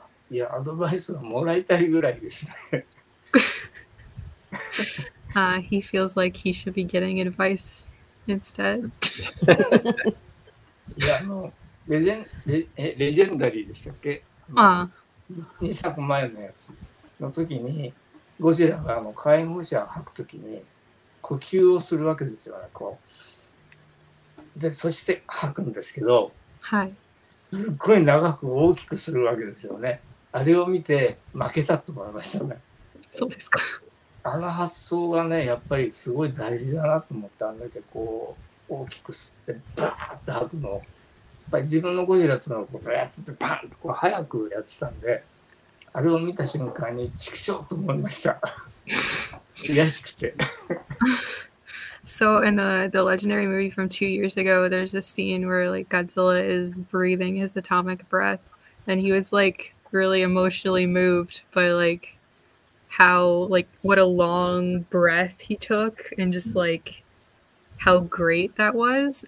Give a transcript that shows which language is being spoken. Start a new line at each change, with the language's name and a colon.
Japanese: いや、アドバイスはもらいたいぐらいですね。
English: He feels like he should be getting advice instead.
Japanese: いや、あの、レジェンダリーでしたっけ？ 2 作前のやつの時に、ゴジラがあの火炎放射を吐く時に呼吸をするわけですよね、こう。で、そして吐くんですけど、はい、すっごい長く大きくするわけですよね。あれを見て負けたと思いましたね。そうですか。あの発想がね、やっぱりすごい大事だなと思って、あんだけこう大きく吸ってバーッと吐くの、やっぱり自分のゴジラつのをこうバーッとバーンとこう早くやってたんで、あれを見た瞬間に畜生と思いました。悔しくて。
English: So in the legendary movie from 2 years ago, there's this scene where like Godzilla is breathing his atomic breath, and he was like really emotionally moved by like how like what a long breath he took and just like how great that was.